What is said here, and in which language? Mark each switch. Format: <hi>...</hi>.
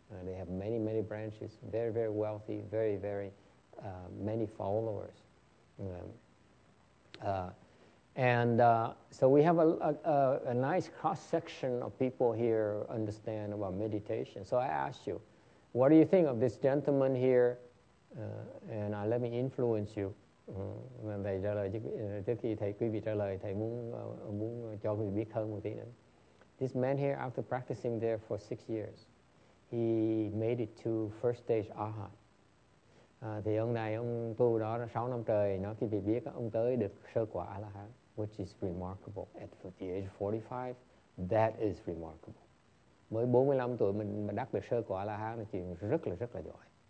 <en>They have many, many branches, very, very wealthy, very, very many followers. So we have a nice cross-section of people here understand about meditation. So I ask you, what do you think of this gentleman here? And let me influence you.</en> <vi>Thầy trả lời, trước khi thầy quý vị trả lời, thầy muốn cho quý vị biết hơn một tí nữa.</vi> <en>This man here, after practicing there for 6 years, he made it to first stage Arhat.</en> <vi>Thì ông này ông tu đó 6 năm trời, nó khi vị biết ông tới được sơ quả A-la-hán,</vi> <en>which is remarkable at the age of 45, that is remarkable.</en> <vi>Mới 45 tuổi mình mà đắc được sơ quả A-la-hán là chuyện rất là giỏi.</vi>